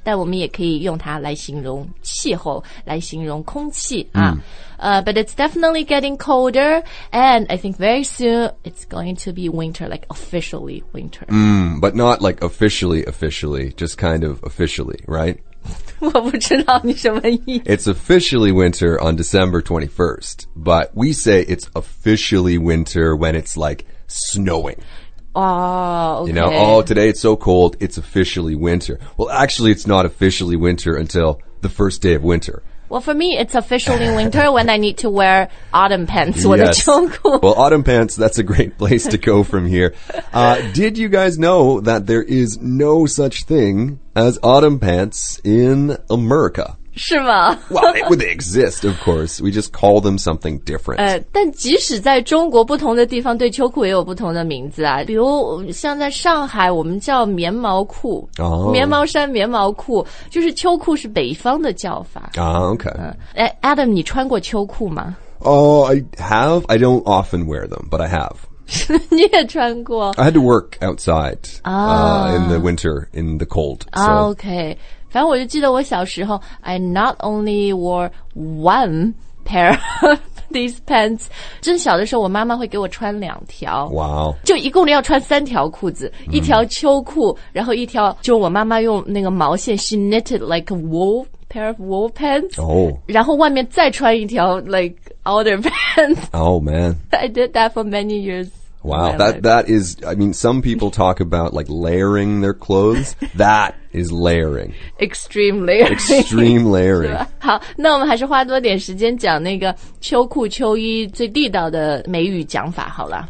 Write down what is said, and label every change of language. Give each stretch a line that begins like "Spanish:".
Chinese: 但我们也可以用它来形容气候，来形容空气啊。
English: But it's definitely getting colder, and I think very soon it's going to be winter, like officially winter. But not like officially, just kind of officially, right?
Chinese: 我不知道你什么意思。
English: It's officially winter on December 21st, but we say it's officially winter when it's like snowing. Okay. You know, today it's so cold, it's officially winter. Well, actually, it's not officially winter until the first day of winter. Well, for me, it's officially winter when I need to wear autumn pants.
Chinese: 我的秋裤。
English: Well, autumn pants, that's a great place to go from here. Did you guys know that there is no such thing as autumn pants in America?
Chinese: 是吗？
English: Well, they exist, of course. We just call them something different.
Chinese: 但即使在中国不同的地方对秋裤也有不同的名字啊。比如像在上海我们叫棉毛裤。棉毛衫、棉毛裤。就是秋裤是北方的叫法。 Adam, 你穿过秋裤吗？
English: I have. I don't often wear them, but I have.
Chinese: 你也穿过。
English: I had to work outside, in the winter, in the cold. Okay.
Chinese: 反正我就记得我小时候
English: I not only wore one pair of these pants.
Chinese: 正小的时候我妈妈会给我穿两条。
English: Wow.
Chinese: 就一共要穿三条裤子。一条秋裤，然后一条就我妈妈用那个毛线
English: She knitted like a wool, pair of wool pants.
Chinese: 然后外面再穿一条
English: like outer pants. Oh man. I did that for many years. Wow, that is, I mean, some people talk about like layering their clothes. That is layering. Extreme layering. Extreme layering.
Chinese: 好，那我们还是花多点时间讲那个秋裤秋衣最地道的美语讲法好了。